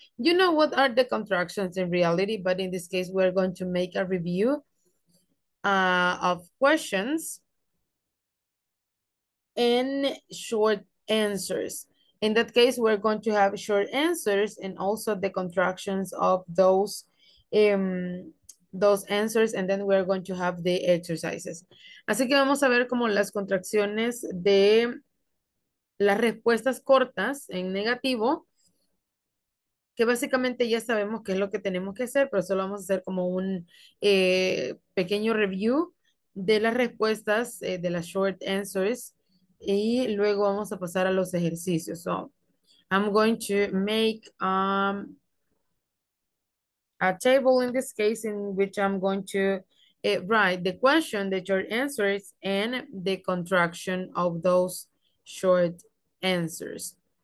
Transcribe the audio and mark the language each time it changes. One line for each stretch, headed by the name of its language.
English: You know what are the contractions in reality, but in this case, we're going to make a review of questions and short answers. In that case, we're going to have short answers and also the contractions of those answers, and then we're going to have the exercises.
Spanish: Así que vamos a ver como las contracciones de las respuestas cortas en negativo, que básicamente ya sabemos qué es lo que tenemos que hacer, pero solo vamos a hacer como un pequeño review de las respuestas, de las short answers, y luego vamos a pasar a los ejercicios.
English: So, I'm going to make a table in this case in which I'm going to write the question, the short answers, and the contraction of those short answers.